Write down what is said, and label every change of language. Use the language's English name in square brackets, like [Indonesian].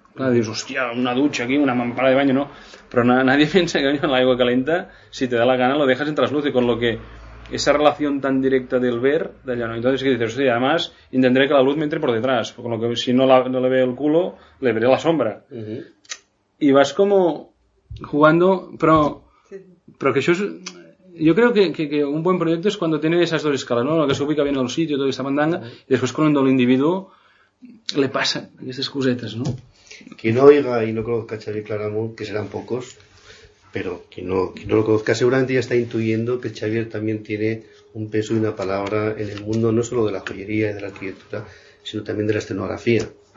[Catalan] Clar, dius, hòstia, una dutxa aquí, [Spanish] una mampara de baño, no. Però nadie piensa que [Catalan] l'aigua calenta, [Spanish] si te da la gana, lo dejas en trasluce, con lo que esa relación tan directa del ver, d'allà, no? Entonces, que dices, hòstia, además, intentaré que la luz me entre por detrás, con lo que si no, la, no le veo el culo, le veré la sombra. Uh-huh. Y vas como jugando, però... [Catalan] Però que això és... Jo crec que un bon projecte és quan tenen aquestes dues escales, no? La que s'ubica ben al sitio, tota aquesta mandanga, uh-huh. I després quan l'individu le passen aquestes cosetes, no? [Spanish] Qui no oiga i no conozca Xavier Claramunt, que seran pocos, però qui no lo conozca seguramente ya está intuyendo que Xavier también tiene un peso y una palabra en el mundo, no solo de la joyería y de la arquitectura, sino también de la escenografía.